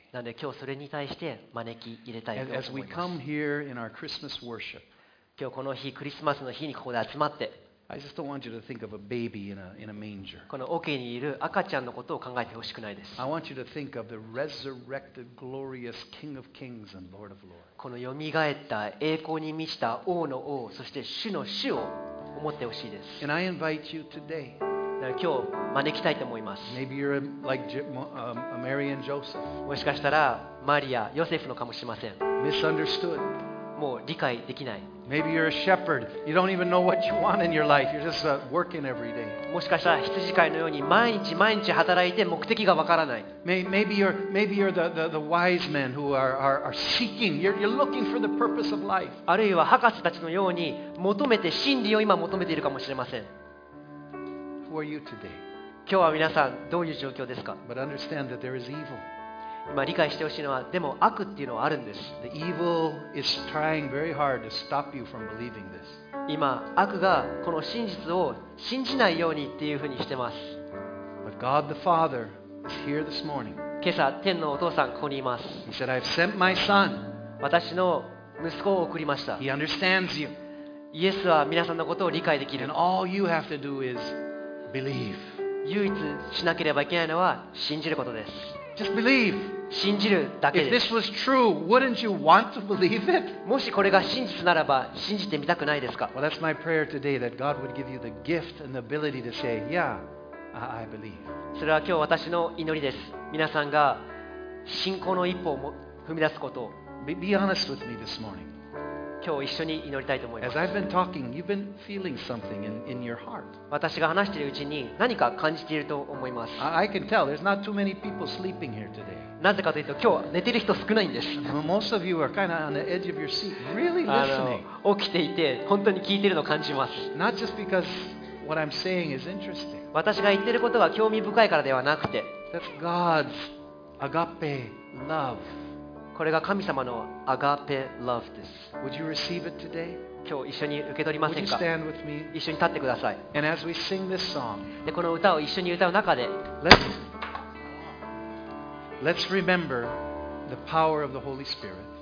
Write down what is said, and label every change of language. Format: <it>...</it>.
<ja>なので今日それに対して招き入れたいと思います。</ja> <en>As we come here in our Christmas worship.</en> <ja>今日この日クリスマスの日にここで集まって、この桶にいる赤ちゃんのことを考えてほしくないです。</ja> <en>I want you to think of the resurrected, glorious King of Kings and Lord of Lords。</en> <ja>この蘇った栄光に満ちた王の王、そして主の主を思ってほしいです。</ja> <en>And I invite you today。</en> <ja>だから今日招きたいと思います。</ja> <en>Maybe you're like Mary and Joseph。</en> <ja>もしかしたらマリア、ヨセフのかもしれません。</ja> <en>Misunderstood。</en> <ja>もう理解できない。</ja> <en>Maybe you're a shepherd. You don't even know what you want in your life. You're just working every day.</en> <ja>もしかしたら羊飼いのように毎日毎日働いて目的がわからない。</ja> <en>Maybe you're the wise men who are seeking. You're looking for the purpose of life.</en> <ja>あるいは博士たちのように求めて真理を今求めているかもしれません。</ja> <en>Who are you today?</en> <ja>今日は皆さんどういう状況ですか?</ja> <en>But understand that there is evil.</en> <ja>今理解してほしいのはでも悪っていうのはあるんです</ja> <en>The evil is trying very hard to stop you from believing this.</en> <ja>今悪がこの真実を信じないようにっていうふうにしてます</ja> <en>But God the Father is here this morning.</en> <ja>今朝天のお父さんここにいます</ja> <en>He said, I've sent my son.</en> <ja>私の息子を送りました</ja> <en>He understands you.</en> <ja>イエスは皆さんのことを理解できる</ja> <en>And all you have to do is believe.</en> <ja>唯一しなければいけないのは信じることです</ja> <en>Just believe.</en> <ja>信じるだけです。</ja> <en>If this was true, wouldn't you want to believe it?</en> <ja>もしこれが真実ならば信じてみたくないですか?</ja> <en>Well, that's my prayer today, that God would give you the gift and the ability to say, yeah, I believe.</en> <ja>それは今日私の祈りです。皆さんが信仰の一歩を踏み出すことを。</ja> <en>Be honest with me this morning.</en> <ja>今日一緒に祈りたいと思います。</ja> <en>As I've been talking, you've been feeling something in your heart.</en> <ja>私が話しているうちに何か感じていると思います。</ja> <en>I can tell, there's not too many people sleeping here today.</en> <ja>なぜかというと今日寝てる人少ないんです。</ja> <en>Most of you are kind of on the edge of your seat, really listening.</en> <ja>起きていて本当に聞いてるのを感じます。</ja> <en>Not just because what I'm saying is interesting.</en> <ja>私が言ってることが興味深いからではなくて、</ja> <en>That's God's agape love.</en> <ja>これが神様のアガペ love です。</ja> <en>Would you receive it today?</en> <ja>今日一緒に受け取りませんか?</ja> <en>Would you stand with me?</en> <ja>一緒に立ってください。</ja> <en>And as we sing this song,</en> <ja>でこの歌を一緒に歌う中で、</ja> <en>Let's remember the power of the Holy Spirit.</en>